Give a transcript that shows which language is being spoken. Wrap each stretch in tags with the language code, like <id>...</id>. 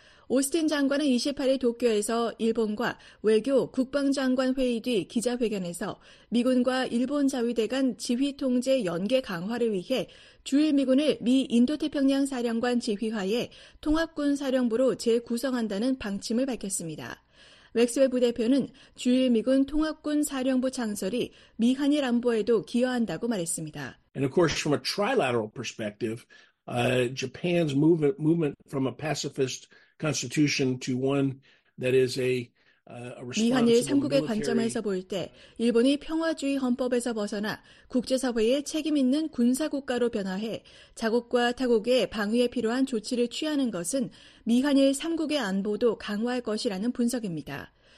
<ko>오스틴 장관은 28일 도쿄에서 일본과 외교 국방장관 회의 뒤 기자회견에서 미군과 일본 자위대 간 지휘통제 연계 강화를 위해 주일미군을 미 인도태평양 사령관 지휘하에 통합군 사령부로 재구성한다는 방침을 밝혔습니다. 맥스웰 부대표는 주일미군 통합군 사령부 창설이 미 한일 안보에도 기여한다고 말했습니다.</ko> <en>And of course, from a trilateral perspective, Japan's movement from a pacifist constitution to one that is a</en> <ko>미 한일 3국의 관점에서 볼 때 일본이 평화주의 헌법에서 벗어나 국제사회의 책임 있는 군사국가로 변화해 자국과 타국의 방위에 필요한 조치를 취하는 것은 미 한일 3국의 안보도 강화할 것이라는 분석입니다.</ko>